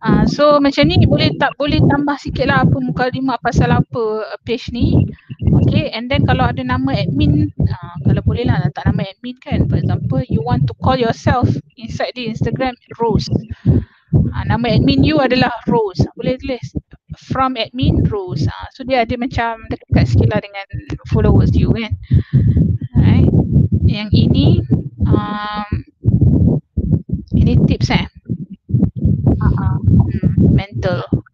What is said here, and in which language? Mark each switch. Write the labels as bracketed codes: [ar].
[ms] So macam ni boleh tak, boleh tambah sikit lah apa mukadimah pasal apa page ni. Okay, and then kalau ada nama admin, kalau boleh lah letak nama admin kan. [en] For example, you want to call yourself inside the Instagram, Rose. [ms] Nama admin you adalah Rose. Boleh tulis [en] from admin Rose. [ms] So dia ada macam dekat sikit lah dengan followers you kan. Yang ini, ini tips . Mental.